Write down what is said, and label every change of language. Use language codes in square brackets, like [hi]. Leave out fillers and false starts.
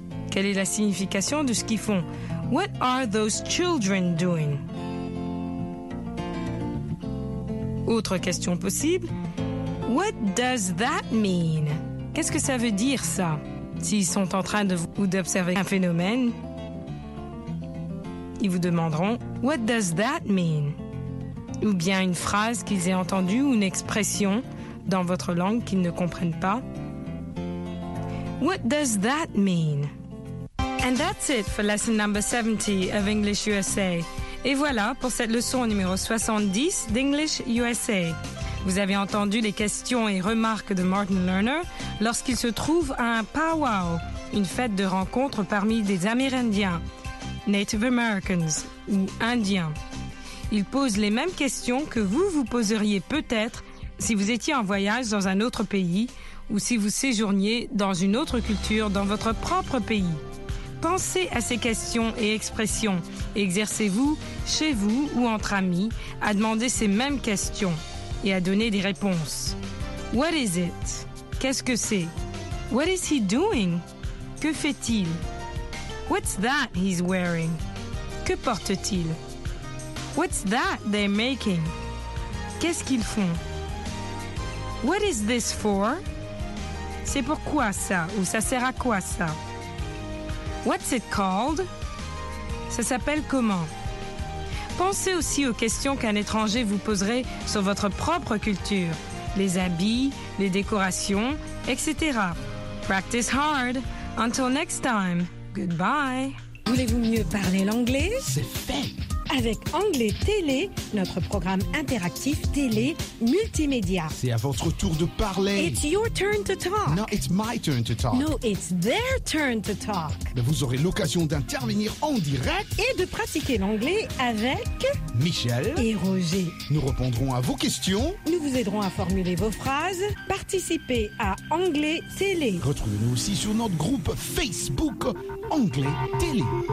[fr] Quelle est la signification de ce qu'ils font? « [en] What are those children doing? [fr] » Autre question possible, « [en] What does that mean? [fr] » Qu'est-ce que ça veut dire, ça, s'ils sont en train de ou d'observer un phénomène? Ils vous demanderont « [en] What does that mean? [fr] » ou bien une phrase qu'ils aient entendue ou une expression dans votre langue qu'ils ne comprennent pas. [en] « What does that mean? » And that's it for lesson number 70 of English USA. [fr] Et voilà pour cette leçon numéro 70 d'English USA. Vous avez entendu les questions et remarques de Martin Lerner lorsqu'il se trouve à un powwow, une fête de rencontre parmi des Amérindiens. Native Americans ou Indiens. Ils posent les mêmes questions que vous vous poseriez peut-être si vous étiez en voyage dans un autre pays ou si vous séjourniez dans une autre culture dans votre propre pays. Pensez à ces questions et expressions. Exercez-vous, chez vous ou entre amis, à demander ces mêmes questions et à donner des réponses. [en] What is it? [fr] Qu'est-ce que c'est? [en] What is he doing? [fr] Que fait-il? [en] What's that he's wearing? [fr] Que portent-ils? [en] What's that they're making? [fr] Qu'est-ce qu'ils font? [en] What is this for? [fr] C'est pour quoi ça ou ça sert à quoi ça? [en] What's it called? [fr] Ça s'appelle comment? Pensez aussi aux questions qu'un étranger vous poserait sur votre propre culture, les habits, les décorations, etc. [en] Practice hard. Until next time. Goodbye. [fr] Voulez-vous mieux parler l'anglais? C'est fait! Avec Anglais Télé, notre programme interactif télé multimédia. C'est à votre tour de parler. [en] It's your turn to talk. No, it's my turn to talk. No, it's their turn to talk. [fr] Mais vous aurez l'occasion d'intervenir en direct et de pratiquer l'anglais avec Michel et Roger. Nous répondrons à vos questions. Nous vous aiderons à formuler vos phrases. Participez à Anglais Télé. Retrouvez-nous aussi sur notre groupe Facebook Anglais Télé.